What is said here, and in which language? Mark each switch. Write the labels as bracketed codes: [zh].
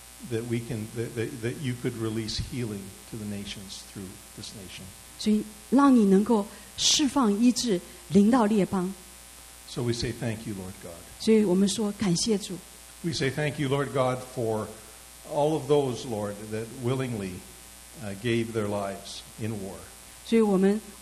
[en] that we can, that you could release healing to the nations through this nation. [zh] 所以让你能够释放医治临到列邦. [en] So we say thank you, Lord God. [zh] 所以我们说感谢主. [en] We say thank you, Lord God, for all of those, Lord, that willingly gave their lives in war.